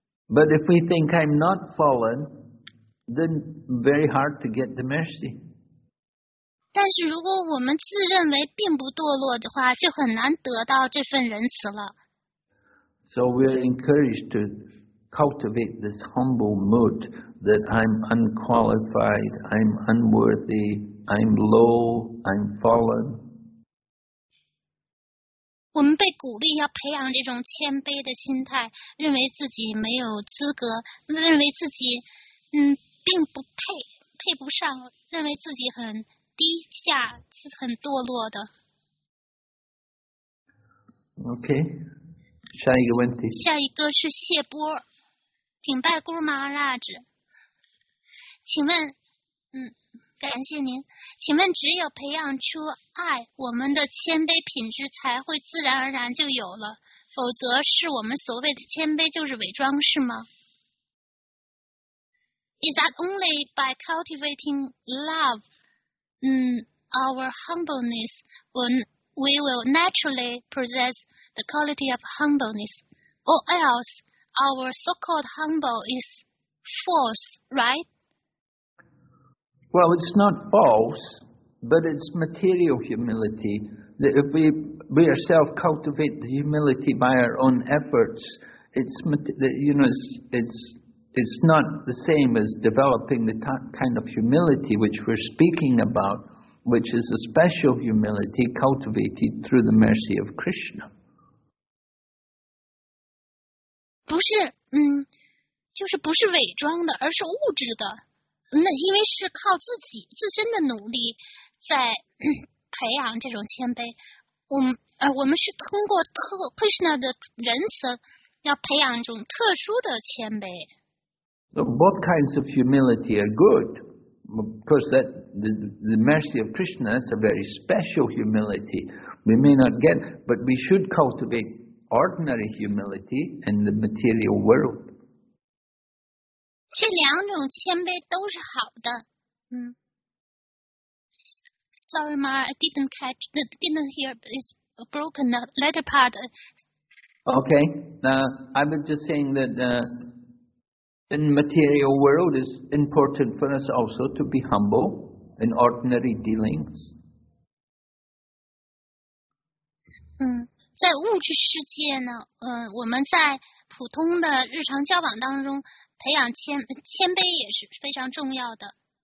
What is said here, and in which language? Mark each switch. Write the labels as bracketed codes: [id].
[en] But if we think I'm not fallen,Then very hard to get the mercy. [zh] 但是如果我们自认为并不堕落的话，就很难得到这份仁慈了。 [en] So we are encouraged to cultivate this humble mood that I'm unqualified, I'm unworthy, I'm low, I'm fallen. [zh] 我们被鼓励要培养这种谦卑的心态，认为自己没有资格，认为自己并不配，配不上，认为自己很低下，是很堕落的。 OK， 下一个问题。下一个是谢波，顶拜咕噜玛哈拉致，请问，感谢您，请问只有培养出爱，我们的谦卑品质才会自然而然就有了，否则是我们所谓的谦卑就是伪装，是吗？ [en] is that only by cultivating love, our humbleness, when we will naturally possess the quality of humbleness, or else our so-called humble is false, right? Well, it's not false, but it's material humility. If we ourselves cultivate the humility by our own efforts, it's not the same as developing the kind of humility which we're speaking about, which is a special humility cultivated through the mercy of Krishna. [zh] 不是，就是不是伪装的，而是物质的。那因为是靠自己自身的努力在培养这种谦卑，我们是通过Krishna 的仁慈要培养一种特殊的谦卑。 [en] So both kinds of humility are good. Of course, that the mercy of Krishna is a very special humility. We may not get, but we should cultivate ordinary humility in the material world. [zh] 这两种谦卑都是好的。 [en] Sorry, Ma, I didn't hear. It's broken. The latter part. Okay. Now, I was just saying that. In the material world, it's important for us also to be humble in ordinary dealings. [zh] 在物质世界呢，我们在普通的日常交往当中，培养谦卑也是非常重要的。